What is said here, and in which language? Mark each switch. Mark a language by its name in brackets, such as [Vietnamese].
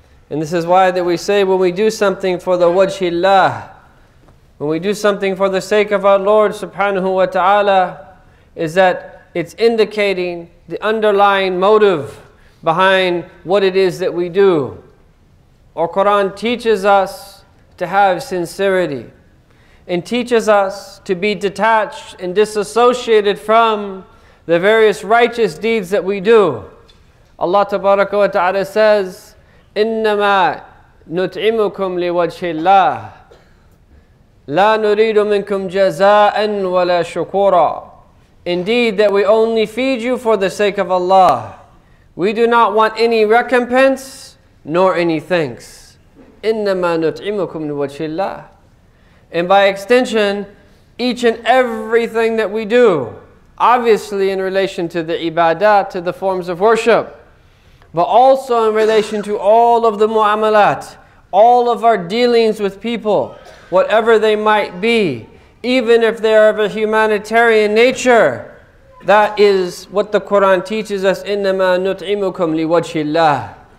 [English] And this is why that we say when we do something for the wajhillah, when we do something for the sake of our Lord subhanahu wa ta'ala, is that it's indicating the underlying motive behind what it is that we do. Our Quran teaches us to have sincerity and teaches us to be detached and disassociated from the various righteous deeds that we do. Allah tabaraka wa ta'ala says, [Arabic] إِنَّمَا نُطْعِمُكُمْ لِوَجْهِ اللَّهِ لَا نُرِيدُ مِنْكُمْ جَزَاءً وَلَا شُكُورًا. [English] Indeed, that we only feed you for the sake of Allah. We do not want any recompense nor any thanks. [Arabic] إِنَّمَا نُطْعِمُكُمْ لِوَجْهِ اللَّهِ. [English] And by extension, each and everything that we do, obviously in relation to the ibadah, to the forms of worship, but also in relation to all of the mu'amalat, all of our dealings with people, whatever they might be, even if they are of a humanitarian nature, that is what the Quran teaches us, [Arabic] إِنَّمَا نُطْعِمُكُمْ لِوَجْهِ اللَّهِ,